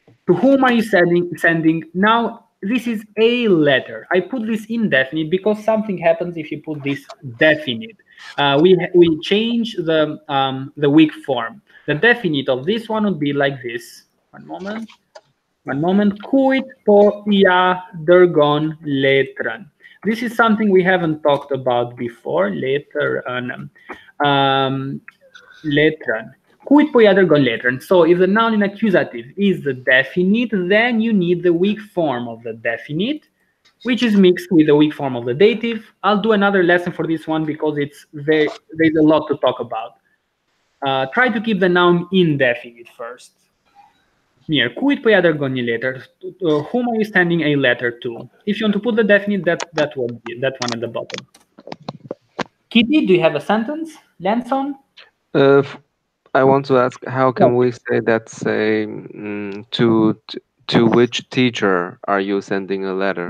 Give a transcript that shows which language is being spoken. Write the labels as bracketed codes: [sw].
[en] To whom are you sending? Now, this is a letter. I put this indefinite because something happens if you put this definite. We change the weak form. The definite of this one would be like this. One moment. [sq] Kujt po ia dërgon letrën. [en] This is something we haven't talked about before. [sq] Letrën. Kujt po ia dërgon letrën. [en] So if the noun in accusative is the definite, then you need the weak form of the definite, which is mixed with the weak form of the dative. I'll do another lesson for this one because there's a lot to talk about. Try to keep the noun indefinite first. [sq] Mir, kujt po ia dërgon një letër? [en] Whom are you sending a letter to? If you want to put the definite, that would be that one at the bottom. Kitty, do you have a sentence? Lanson? I want to ask, how can we say that, say, to which teacher are you sending a letter?